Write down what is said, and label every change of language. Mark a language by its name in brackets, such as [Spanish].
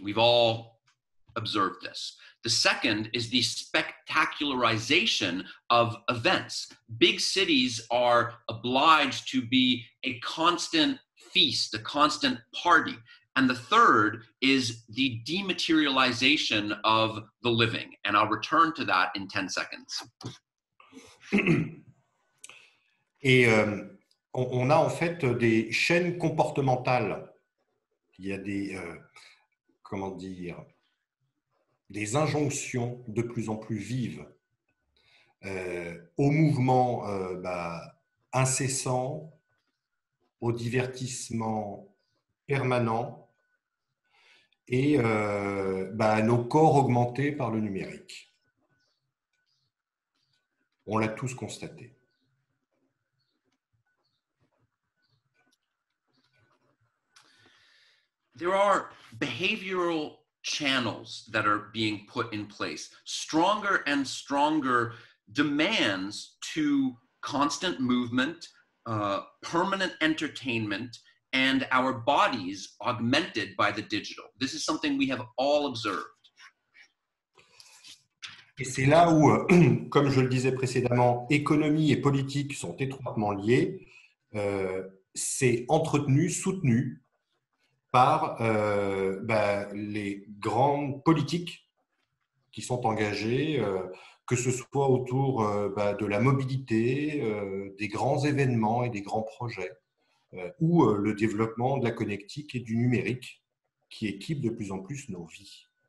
[English] We've all observed this. The second is the spectacularization of events. Big cities are obliged to be a constant feast, a constant party. And the third is the dematerialization of the living. And I'll return to that in 10 seconds. [French] Et on a en fait des chaînes comportementales. Il y a des, comment dire, des injonctions de plus en plus vives au mouvement incessant, au divertissement permanent et à nos corps augmentés par le numérique. On l'a tous constaté. [English] There are behavioral channels that are being put in place, stronger and stronger demands to constant movement, permanent entertainment, and our bodies augmented by the digital. This is something we have all observed. [French] Et c'est là où, comme je le disais précédemment, économie et politique sont étroitement liées. C'est entretenu, soutenu par les grandes politiques qui sont engagées, que ce soit autour de la mobilité, des grands événements et des grands projets, ou le développement de la connectique et du numérique qui équipe de plus en plus nos vies.